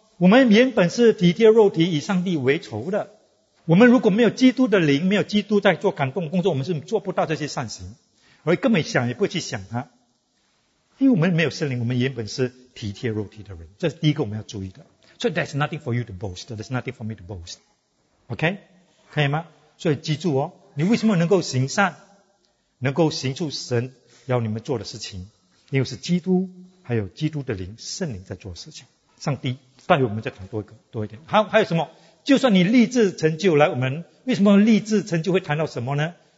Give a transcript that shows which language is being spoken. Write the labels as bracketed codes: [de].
[zh] 我们原本是体贴肉体，以上帝为仇的。我们如果没有基督的灵，没有基督在做感动工作，我们是做不到这些善行。我根本想也不会去想他，因为我们没有圣灵，我们原本是体贴肉体的人，这是第一个我们要注意的。 [en] So there's nothing for you to boast. There's nothing for me to boast. [zh] OK? 可以吗？所以记住哦，你为什么能够行善，能够行出神要你们做的事情，因为是基督还有基督的灵圣灵在做事情，上帝带领我们再谈多一个多一点。好，还有什么？就算你立志成就，来，我们为什么立志成就会谈到什么呢？